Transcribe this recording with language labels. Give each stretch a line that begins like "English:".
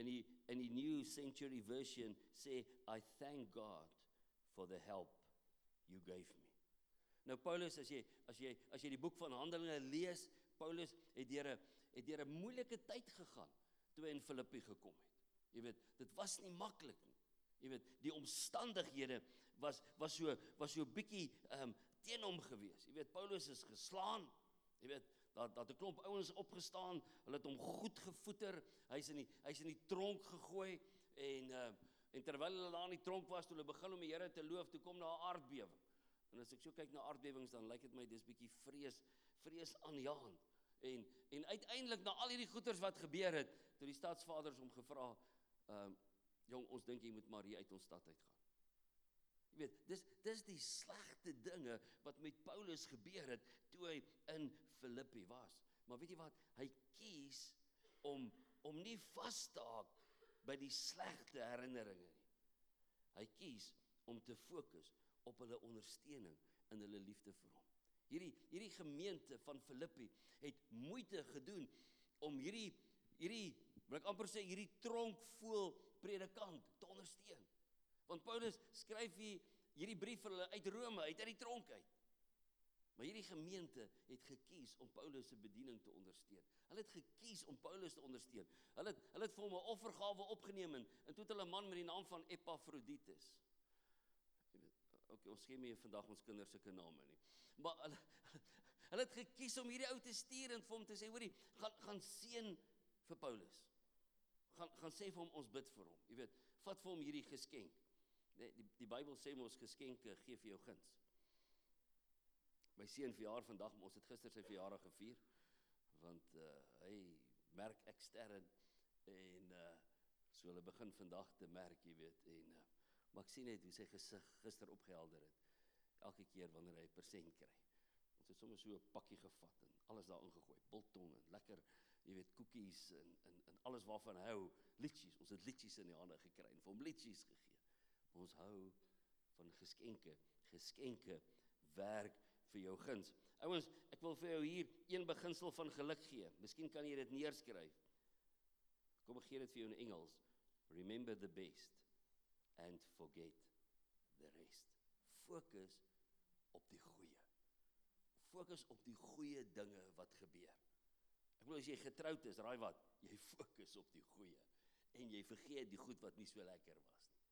Afrikaans: In die New Century Version sê,
English: I thank God for the help you gave me.
Afrikaans: Nou Paulus, as jy die boek van Handelinge lees, Paulus het deur 'n moeilike tyd gegaan, toe hy in Filippi gekom het. Jy weet, dit was nie maklik nie. Jy weet, die omstandighede was so bietjie teen hom gewees. Jy weet, Paulus is geslaan, jy weet, dat 'n klomp ouens opgestaan, hulle het hom goed gevoeter, hy is in die tronk gegooi, en terwyl hulle daar in die tronk was, toe hulle begin om die Here te loof, toe kom daar 'n aardbewing. En as ek so kyk na aardbewings, dan lyk dit my, dis bietjie vrees aanjaand. En uiteindelik, na al hierdie goeders wat gebeur het, toe die stadsvaders hom gevra, jong, ons dink jy moet maar hier uit ons stad uitgaan. Jy weet, dis die slegte dinge wat met Paulus gebeur het toe hy in Filippi was. Maar weet jy wat, hy kies om nie vas te haak by die slegte herinneringe nie. Hy kies om te fokus op hulle ondersteuning en hulle liefde vir hom. Hierdie gemeente van Filippi het moeite gedoen om hierdie tronkvol predikant te ondersteun. Want Paulus skryf hierdie brief vir hulle uit Rome, uit die tronk uit. Maar hierdie gemeente het gekies om Paulus se bediening te ondersteun. Hulle het gekies om Paulus te ondersteun. Hulle het vir hom 'n offergawe opgeneem en toe het hulle 'n man met die naam van Epafroditus. Okay, ons gee mee vandag ons kinders sulke name nie. Maar hulle het gekies om hierdie ou te stuur en vir hom te sê, hoorie, gaan seën vir Paulus. Gaan sê vir hom, ons bid vir hom. Jy weet, vat vir hom hierdie geskenk. Die Bybel sê ons geskenke gee vir jou guns. My seun verjaar vandag, ons het gister sy verjaardag gevier, want hy merk ek sterren, en so hulle begin vandag te merk, jy weet, maar ek sien net hoe sy gesig gister opgehelder het, elke keer wanneer hy 1% kry. Ons het sommer so 'n pakkie gevat en alles daar ingegooi, biltong en lekker, jy weet, koekies en alles waarvan hy hou, litsjies, ons het litsjies in die hande gekry en vir hom litsjies gegee. Ons hou van geskenke werk vir jou guns. Ouens, ek wil vir jou hier een beginsel van geluk gee. Miskien kan jy dit neerskryf. Kom, ek gee dit vir jou in Engels.
English: Remember the best and forget the rest.
Afrikaans: Fokus op die goeie. Fokus op die goeie dinge wat gebeur. Ek bedoel, as jy getroud is, raai wat, jy fokus op die goeie en jy vergeet die goed wat nie so lekker was.